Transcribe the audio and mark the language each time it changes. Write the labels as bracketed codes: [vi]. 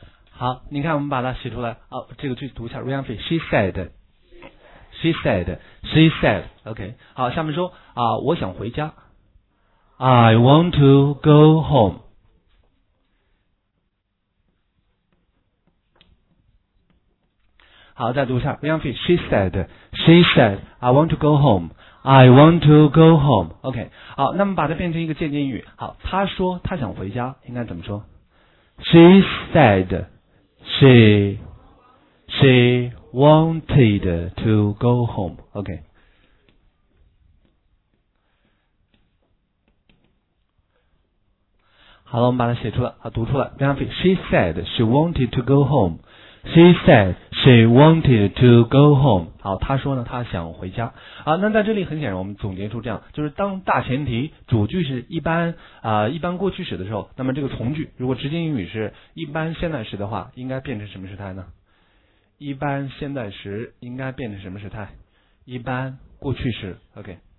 [zh] 好，你看我们把它写出来。好，这个句读一下 Ryan Fee。 [en] She said [zh] OK。 好，下面说啊，我想回家。 [en] I want to go home。 [zh] 好，再读一下 Young Fish. [en] She said I want to go home. I want to go home. [zh] OK, 好，那么把它变成一个渐进语。好，她说她想回家应该怎么说？ [en] She said she wanted to go home. OK, [zh] 好了，我们把它写出来，好，读出来 [en] Young Fish. She said she wanted to go homeShe said she wanted to go home. [zh] 好，她说呢，她想回家。啊，那在这里很显然，我们总结出这样，就是当大前提主句是一般过去时的时候，那么这个从句如果直接英语是一般现在时的话，应该变成什么时态呢？一般现在时应该变成什么时态？一般过去时。OK。